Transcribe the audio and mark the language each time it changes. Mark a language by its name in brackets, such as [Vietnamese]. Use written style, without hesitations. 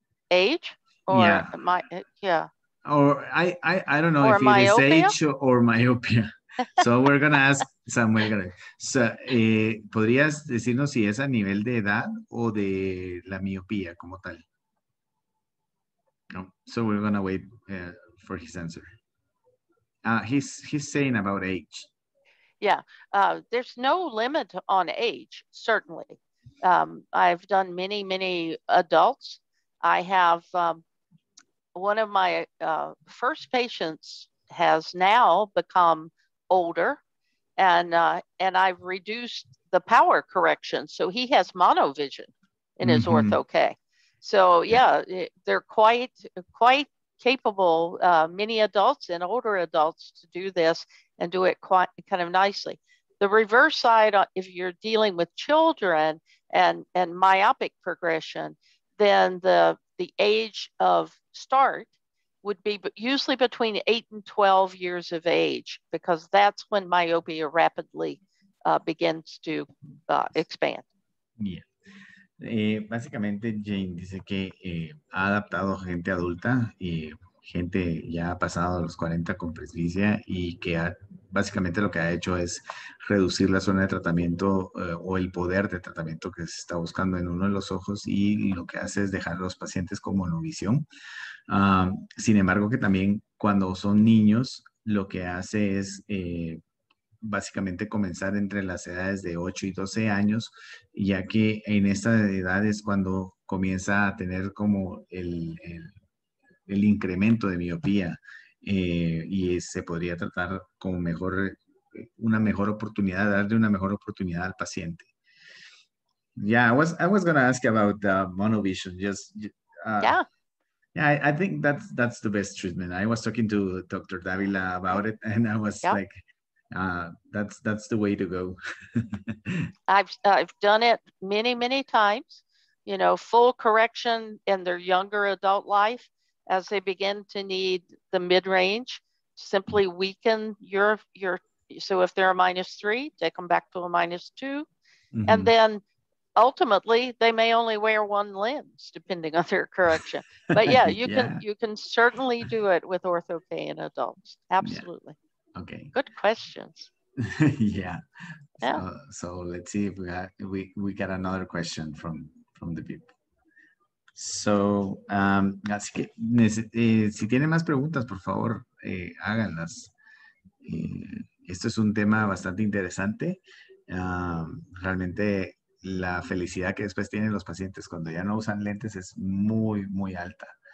[English] Age? I don't know or if myopia? It is age or myopia. So we're going to ask Samuel. [Spanish] So, ¿podrías decirnos si es a nivel de edad o de la miopía como tal? [English] No. So we're going to wait for his answer. He's saying about age. Yeah, there's no limit on age, certainly. I've done many, many adults. I have one of my first patients has now become older, and I've reduced the power correction. So he has monovision in his mm-hmm. ortho-K. So yeah, they're quite capable, many adults and older adults to do this and do it quite kind of nicely. The reverse side, if you're dealing with children and myopic progression, then the age of start would be usually between 8 and 12 years of age, because that's when myopia rapidly begins to expand. Yeah. [Spanish] Básicamente, Jane dice que ha adaptado gente adulta y gente ya ha pasado a los 40 con presbicia y que básicamente lo que ha hecho es reducir la zona de tratamiento o el poder de tratamiento que se está buscando en uno de los ojos, y lo que hace es dejar a los pacientes con monovisión. Sin embargo, que también cuando son niños, lo que hace es básicamente comenzar entre las edades de 8 y 12 años, ya que en esta edad es cuando comienza a tener como el incremento de miopía, y se podría tratar como mejor, una mejor oportunidad, darle una mejor oportunidad al paciente. [English] Yeah, I was going to ask about monovision. I think that's the best treatment. I was talking to Dr. Davila about it, and I was like, that's the way to go. I've done it many, many times, you know, full correction in their younger adult life. As they begin to need the mid-range, simply weaken your, so if they're a -3, take them back to a -2. Mm-hmm. And then ultimately they may only wear one lens depending on their correction. But yeah, you can certainly do it with Ortho-K in adults. Absolutely. Yeah. Okay. Good questions. Yeah. Yeah. So let's see if we get another question from the people. [Spanish] So, así que si tiene más preguntas, por favor, háganlas. Esto es un tema bastante interesante. Realmente la felicidad que después tienen los pacientes cuando ya no usan lentes es muy, muy alta.